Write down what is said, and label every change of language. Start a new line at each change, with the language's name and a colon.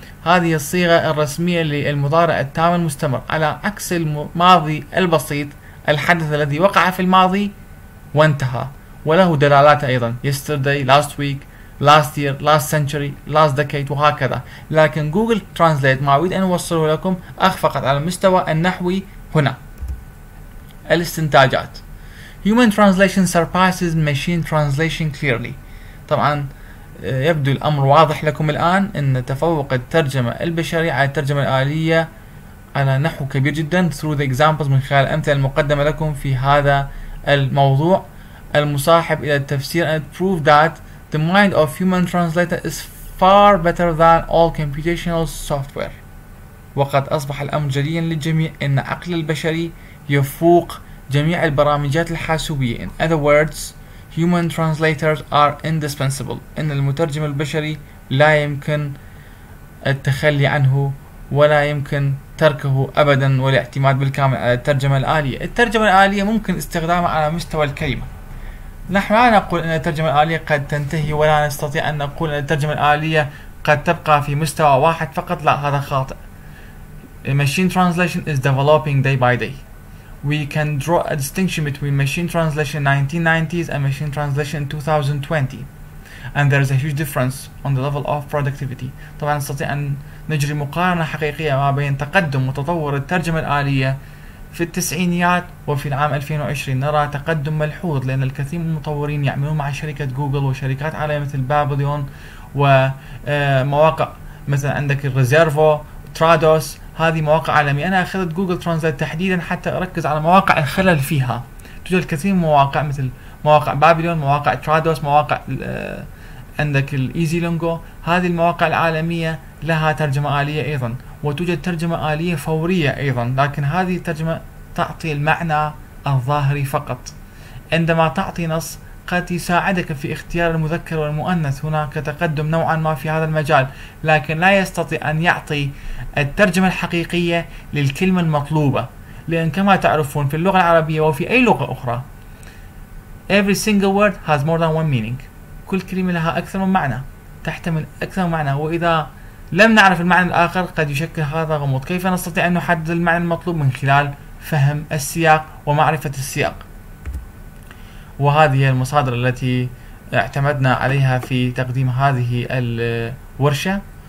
Arabic: هذه الصيغة الرسمية للمضارع التام المستمر، على عكس الماضي البسيط الحدث الذي وقع في الماضي وانتهى وله دلالات أيضا:
English: yesterday, last week, last year, last century, last decade
Arabic: وهكذا. لكن جوجل ترانسليت ما أريد أن أوصله لكم أخفقت على المستوى النحوي هنا. الاستنتاجات:
English: Human translation surpasses machine translation clearly.
Arabic: طبعا يبدو الأمر واضح لكم الآن أن تفوق الترجمة البشرية على الترجمة الآلية على نحو كبير جدا
English: through the examples
Arabic: من خلال الأمثلة المقدمة لكم في هذا الموضوع. المصاحب إلى التفسير:
English: and prove that the mind of human translator is far better than all computational software.
Arabic: وقد أصبح الأمر جليا للجميع أن عقل البشري يفوق جميع البرامجات الحاسوبية.
English: In other words, human translators are indispensable.
Arabic: إن المترجم البشري لا يمكن التخلي عنه ولا يمكن تركه أبدا والاعتماد بالكامل على الترجمة الآلية. الترجمة الآلية ممكن استخدامها على مستوى الكلمة. نحن لا نقول أن الترجمة الآلية قد تنتهي ولا نستطيع أن نقول أن الترجمة الآلية قد تبقى في مستوى واحد فقط، لا هذا خاطئ.
English: Machine translation is developing day by day. We can draw a distinction between machine translation 1990s and machine translation 2020. And there is a huge difference on the level of productivity.
Arabic: طبعا نستطيع أن نجري مقارنة حقيقية ما بين تقدم وتطور الترجمة الآلية في التسعينيات وفي العام 2020. نرى تقدم ملحوظ لأن الكثير من المطورين يعملون مع شركة جوجل وشركات عالمية مثل بابليون ومواقع مثل عندك الريزيرفو ترادوس، هذه مواقع عالمية. أنا أخذت جوجل ترانسليت تحديدا حتى أركز على مواقع الخلل فيها. توجد الكثير من مواقع مثل مواقع بابليون، مواقع ترادوس، مواقع عندك الإيزي لونجو. هذه المواقع العالمية لها ترجمة آلية أيضا وتوجد ترجمة آلية فورية أيضا، لكن هذه الترجمة تعطي المعنى الظاهري فقط. عندما تعطي نص قد يساعدك في اختيار المذكر والمؤنث، هناك تقدم نوعا ما في هذا المجال، لكن لا يستطيع أن يعطي الترجمة الحقيقية للكلمة المطلوبة. لأن كما تعرفون في اللغة العربية وفي أي لغة أخرى
English: every single word has more than one meaning.
Arabic: كل كلمة لها أكثر من معنى، تحتمل أكثر من معنى. وإذا لم نعرف المعنى الآخر قد يشكل هذا غموض. كيف نستطيع أن نحدد المعنى المطلوب؟ من خلال فهم السياق ومعرفة السياق. وهذه هي المصادر التي اعتمدنا عليها في تقديم هذه الورشة.